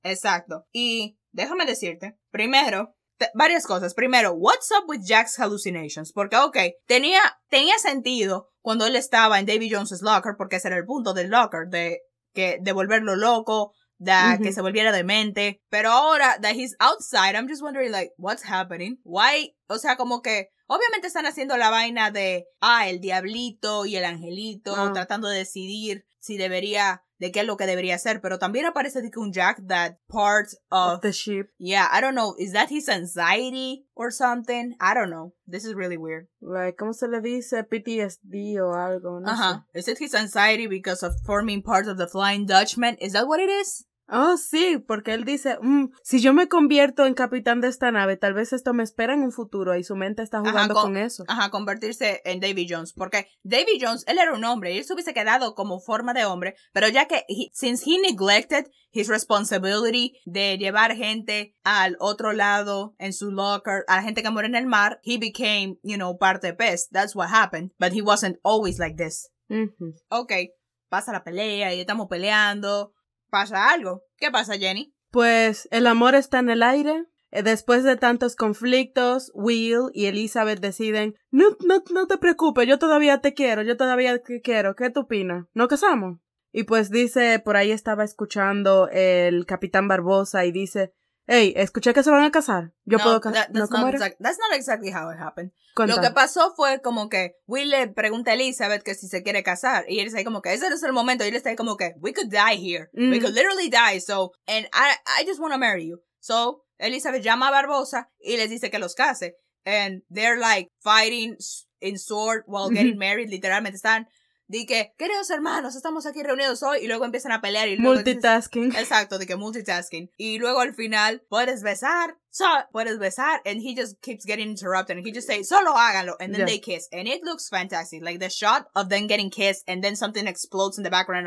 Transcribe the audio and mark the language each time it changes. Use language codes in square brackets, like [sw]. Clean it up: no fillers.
[es] Exacto. Y déjame decirte, primero, varias cosas. Primero, [en] what's up with Jack's hallucinations? [es] Porque, okay, tenía sentido cuando él estaba en David Jones's locker, porque ese era el punto del locker, de volverlo loco, de uh-huh. que se volviera demente. Pero ahora, [en] that he's outside, I'm just wondering, like, what's happening? Why? [es] O sea, como que, obviamente están haciendo la vaina de, el diablito y el angelito, uh-huh. tratando de decidir si debería, de qué es lo que debería hacer, pero también aparece de que un Jack, [en] that part of the ship. Yeah, I don't know. Is that his anxiety or something? I don't know. This is really weird. [es] Like, ¿cómo se le dice? PTSD o algo, no sé. [en] Is it his anxiety because of forming part of the Flying Dutchman? Is that what it is? [es] Oh, sí, porque él dice, si yo me convierto en capitán de esta nave, tal vez esto me espera en un futuro, y su mente está jugando con eso. Ajá, convertirse en Davy Jones, porque Davy Jones, él era un hombre, y él se hubiese quedado como forma de hombre, pero ya que, [en] since he neglected his responsibility [es] de llevar gente al otro lado en su locker, a la gente que muere en el mar, [en] he became, you know, part of the pest. That's what happened, but he wasn't always like this. Mm-hmm. [es] Okay, pasa la pelea, y estamos peleando. ¿Pasa algo? ¿Qué pasa, Jenny? Pues, el amor está en el aire. Después de tantos conflictos, Will y Elizabeth deciden, no te preocupes, yo todavía te quiero. ¿Qué tú opinas? ¿No casamos? Y pues dice, por ahí estaba escuchando el Capitán Barbosa y dice, hey, escuché que se van a casar. Yo no, puedo casar. [en] That's not exactly how it happened. [es] Cuenta. Lo que pasó fue como que Will le pregunta a Elizabeth que si se quiere casar. Y él está ahí como que, ese no es el momento. Y él está ahí como que, [en] we could die here. Mm. We could literally die. So, and I just want to marry you. So, [es] Elizabeth llama a Barbosa y les dice que los case. [en] And they're like fighting in sword while getting mm-hmm. married. [es] Literalmente están. De que, queridos hermanos, estamos aquí reunidos hoy. Y luego empiezan a pelear. Y luego [en] multitasking. [es] Dices, exacto, de que multitasking. Y luego al final, puedes besar. [en] And he just keeps getting interrupted. And he just says, [es] solo háganlo. [en] And then they kiss. And it looks fantastic. Like the shot of them getting kissed. And then something explodes in the background.